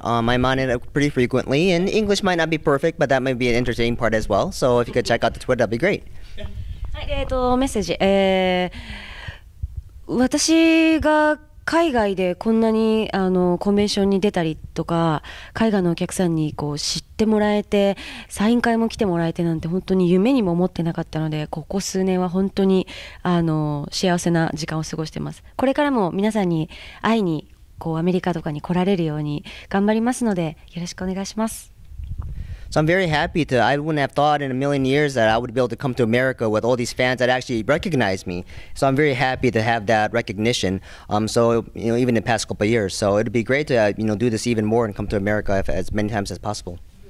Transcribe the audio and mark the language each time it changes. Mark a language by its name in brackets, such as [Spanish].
[English] My manner is pretty frequently, and English might not be perfect, but that might be an entertaining part as well. So if you could check out the Twitter, that'd be great. [Japanese] メッセージ、私が海外でこんなにコンベンションに出たりとか海外のお客さんに知ってもらえてサイン会も来てもらえてなんて本当に夢にも思ってなかったので、ここ数年は本当に幸せな時間を過ごしてます。これからも皆さんに会いにアメリカとかに来られるように頑張りますので、よろしくお願いします。 [English] So I'm very happy to, I wouldn't have thought in a million years that I would be able to come to America with all these fans that actually recognize me. So I'm very happy to have that recognition. So, you know, even in the past couple of years. So it'd be great to, you know, do this even more and come to America as many times as possible.